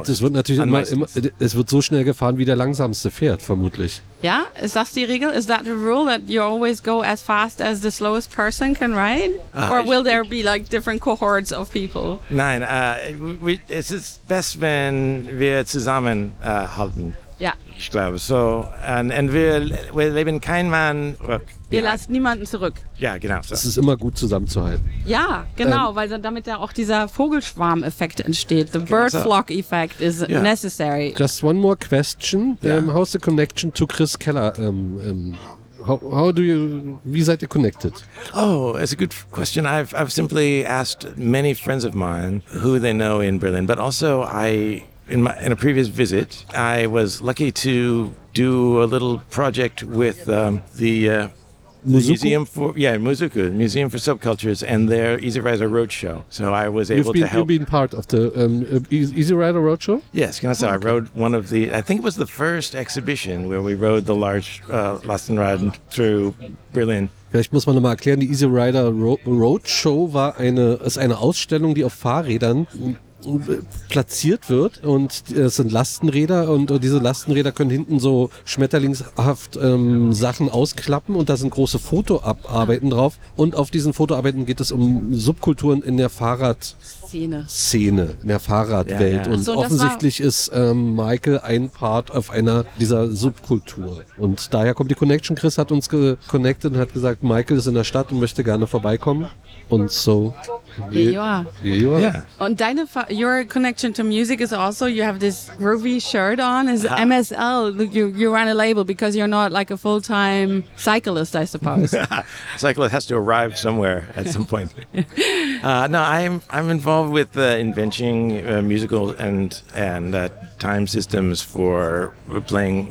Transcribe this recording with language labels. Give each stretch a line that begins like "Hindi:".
German: Das wird natürlich es wird so schnell gefahren, wie der langsamste fährt, vermutlich. Ja, ist das die Regel?
English: Is that the rule that you always go as fast as the slowest person can ride? Or will there be like different cohorts of people?
German: Nein, es ist best, wenn wir zusammen halten. Ja. Ich glaube so. Und wir leben kein Mann rück. Wir lassen niemanden zurück. Ja, genau. Es ist immer gut, zusammenzuhalten. Ja, genau, weil damit ja auch dieser Vogelschwarm-Effekt entsteht.
English: The bird flock effect is necessary. Just one more question. How's the connection to Chris Keller?
German: Wie seid ihr connected?
English: Oh, it's a good question. I've simply asked many friends of mine who they know in Berlin, but also in a previous visit, I was lucky to do a little project with Museum for Subcultures and their Easy Rider Roadshow. So I was able to help. You've been part of the Easy Rider Roadshow? Yes, I rode one of the, I think it was the first exhibition where we rode the large Lastenraden through Berlin.
German: Vielleicht muss man nochmal erklären, die Easy Rider Roadshow ist eine Ausstellung, die auf Fahrrädern platziert wird und es sind Lastenräder und diese Lastenräder können hinten so schmetterlingshaft Sachen ausklappen und da sind große Fotoarbeiten drauf und auf diesen Fotoarbeiten geht es um Subkulturen in der Fahrradszene, in der Fahrradwelt und offensichtlich ist Michael ein Part auf einer dieser Subkultur und daher kommt die Connection. Chris hat uns geconnected und hat gesagt, Michael ist in der Stadt und möchte gerne vorbeikommen.
English: And so, here you are. And your connection to music is also, you have this groovy shirt on, is MSL, you run a label because you're not like a full-time cyclist, I suppose. Cyclist has to arrive somewhere at some point. I'm involved with inventing musical and time systems for playing.